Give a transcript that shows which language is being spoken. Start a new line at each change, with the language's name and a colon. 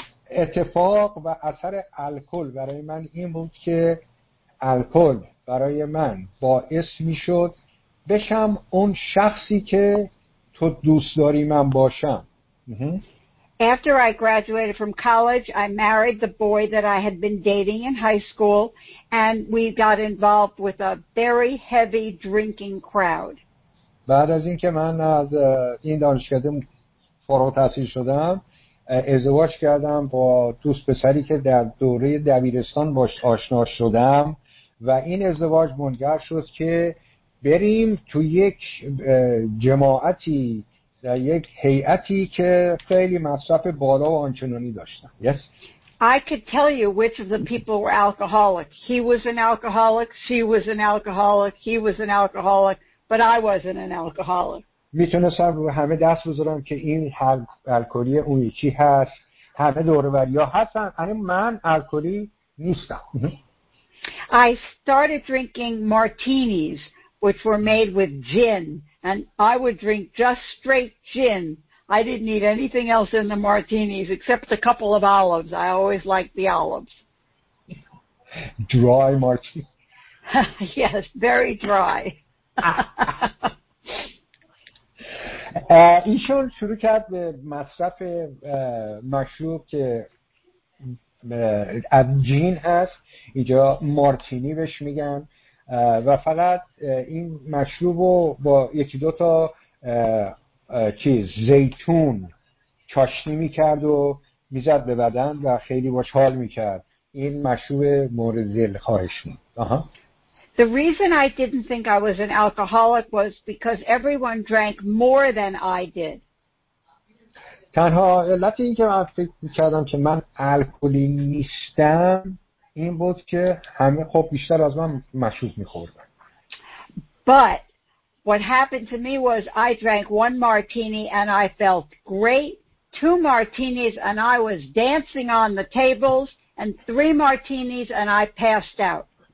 Persian: اتفاق و اثر الکل برای من این بود که الکل برای من باعث می شد بشم اون شخصی که تو دوست داری من باشم.
English: After I graduated from college, I married the boy that I had been dating in high school, and we got involved with a very heavy drinking crowd.
Persian: بعد از اینکه من از این دانشگاه فارغ التحصیل شدم، ازدواج کردم با دوست پسری که در دوره دبیرستان باش آشنا شدم و این ازدواج منجر شد که بریم تو یک جماعتی در یک هیئتی که خیلی مصرف بالا و آنچنانی داشتن.
English: Yes. I could tell you which of the people were alcoholic. He was an alcoholic, she was an alcoholic, he was an alcoholic, but I wasn't an alcoholic.
Persian: میتونستم رو همه دست بذارم که این الکلی اون یکی هست، همه دور و بریا هستن، یعنی من الکلی نیستم.
English: I started drinking martinis which were made with gin. And I would drink just straight gin, I didn't need anything else in the martinis except a couple of olives. I always liked the olives. Dry martini. Yes, very dry.
Persian: ایشون شروع کرد به مصرف مشروب که از جین هست، اینجا مارتینی بهش میگن، و فقط این مشروب رو با یکی دو تا چیز زیتون چاشنی میکرد و میزد به بدن و خیلی باش حال میکرد. این مشروب مورد دلخواهش بود.
English: The reason I didn't think I was an alcoholic was because everyone drank more than I did.
Persian: تنها علت این که من فکر می‌کردم که من الکلی نیستم این بود که همه خب بیشتر از من مشروب می‌خوردن.
English: But what happened to me was I drank one martini and I felt great. Two martinis and I was dancing on the tables, and three martinis and I passed out.